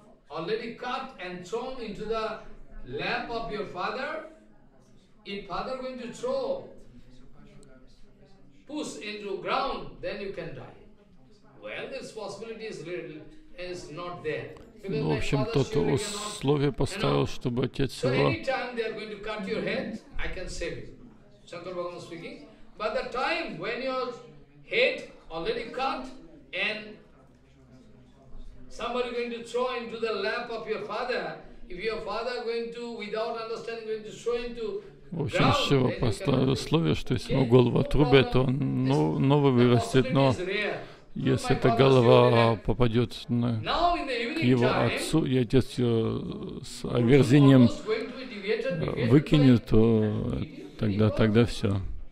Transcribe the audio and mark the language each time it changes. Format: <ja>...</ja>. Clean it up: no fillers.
<en>already cut and thrown into the lap of your father, if father going to throw puss into ground, then you can die. Well, this possibility is little, is not there.</en> <ru>Ну, в общем, тот условие поставил, чтобы отец его...</ru> <en>So, anytime they are going to cut your head, I can save you. Shankar Bhagavan speaking. But the time when your head already cut and somebody going to throw into the lap of your father, if your father going to, without understanding, going to throw into ground,</en> <ru>в общем, все, поставил условие, что если ему голову отрубят, то он новый вырастет, но если эта голова попадет на к его отцу, и отец ее с омерзением выкинет, то тогда все.</ru>